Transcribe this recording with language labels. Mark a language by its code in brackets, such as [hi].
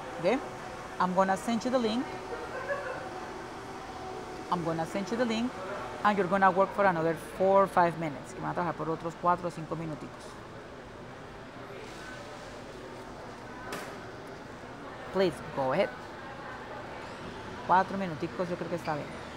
[en] Okay? I'm gonna send you the link. I'm gonna send you the link. And you're gonna work for another 4 or 5 minutes. [es] Y van a trabajar por otros 4 o 5 minuticos. [en] Please, go ahead. [es] 4 minuticos, yo creo que está bien.